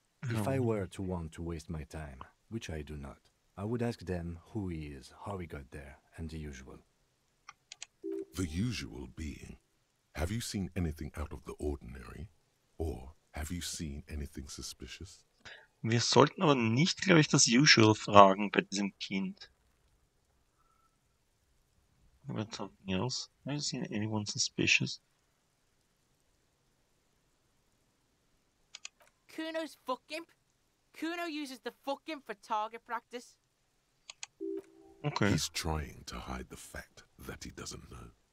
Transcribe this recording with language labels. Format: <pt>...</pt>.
<en>If I were to want to waste my time, which I do not, I would ask them who he is, how he got there, and the usual. The usual being, have you seen anything out of the ordinary? Or have you seen anything suspicious?</en> <de>Wir sollten aber nicht, glaube ich, das Usual fragen bei diesem Kind.</de> <en>About something else? Have you seen anyone suspicious? Kuno's fuckimp? Kuno uses the fuckimp for target practice. Okay. He's trying to hide the fact that he doesn't know.</en>